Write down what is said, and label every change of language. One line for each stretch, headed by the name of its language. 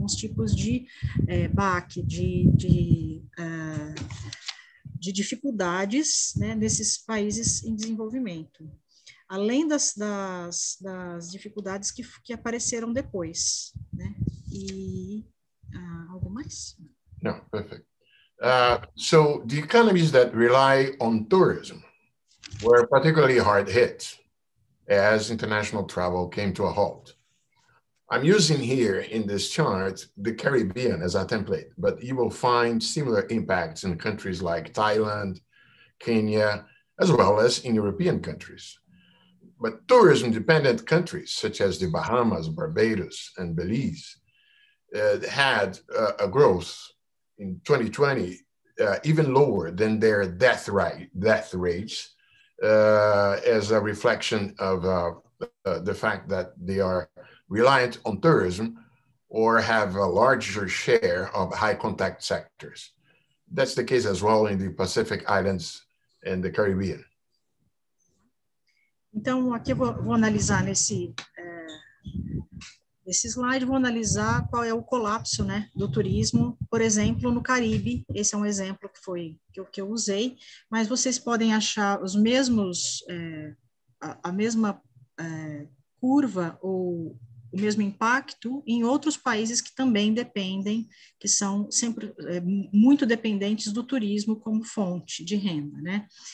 Portuguese: Alguns tipos de baque, de dificuldades, né? Nesses países em desenvolvimento, além das dificuldades que apareceram depois, né? E algo mais? Não, perfeito.
English: So the economies that rely on tourism were particularly hard hit as international travel came to a halt. I'm using here in this chart the Caribbean as a template, but you will find similar impacts in countries like Thailand, Kenya, as well as in European countries. But tourism-dependent countries such as the Bahamas, Barbados, and Belize had a growth in 2020, even lower than their death rates, as a reflection of the fact that they are reliant on tourism or have a larger share of high contact sectors. That's the case as well in the Pacific Islands and the Caribbean.
Portuguese: Então, aqui eu vou analisar nesse slide, vou analisar qual é o colapso, né, do turismo, por exemplo, no Caribe. Esse é um exemplo que eu usei, mas vocês podem achar os mesmos, a mesma curva ou o mesmo impacto em outros países que também dependem, que são sempre muito dependentes do turismo como fonte de renda, né?